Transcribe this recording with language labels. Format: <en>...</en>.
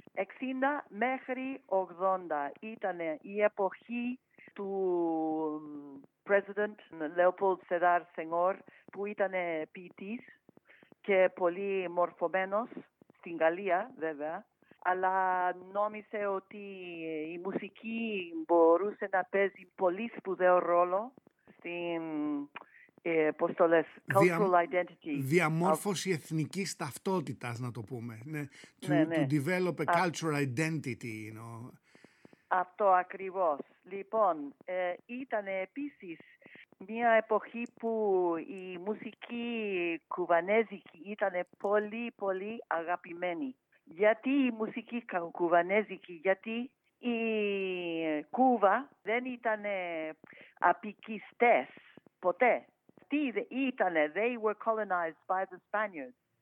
<el>60 μέχρι 80 ήταν η εποχή του President Leopold Sedar Senghor, που ήταν ποιητής και πολύ μορφωμένος στην Γαλλία, βέβαια. Αλλά νόμισε ότι η μουσική μπορούσε να παίζει πολύ σπουδαίο ρόλο στην, πώς το λες,</el> <en>cultural identity.</en> <el>Διαμόρφωση εθνικής ταυτότητας, να το πούμε. Ναι,</el> <en>to develop a cultural identity, you know.</en> <el>Αυτό ακριβώς. Λοιπόν, ήταν επίσης μια εποχή που η μουσική κουβανέζικη ήταν πολύ πολύ αγαπημένη. γιατί η μουσική κουβανέζικη, γιατί η Κούβα δεν ήταν απικιστές ποτέ. Τι ήταν,</el> <en>they were colonized by the Spaniards.</en>